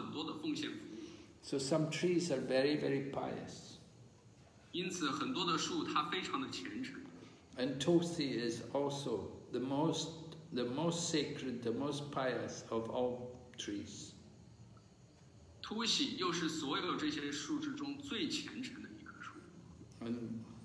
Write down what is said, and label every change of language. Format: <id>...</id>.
<zh>但是树它给予这个庇荫，还有果实，还它给主做了很多的奉献服务。</zh> <en>So some trees are very, very pious.</en> <zh>因此，很多的树它非常的虔诚。</zh> <en>And Tulsi is also the most sacred, the most pious of all trees.</en> <zh>突袭又是所有这些树之中最虔诚的一棵树。</zh> <en>And</en>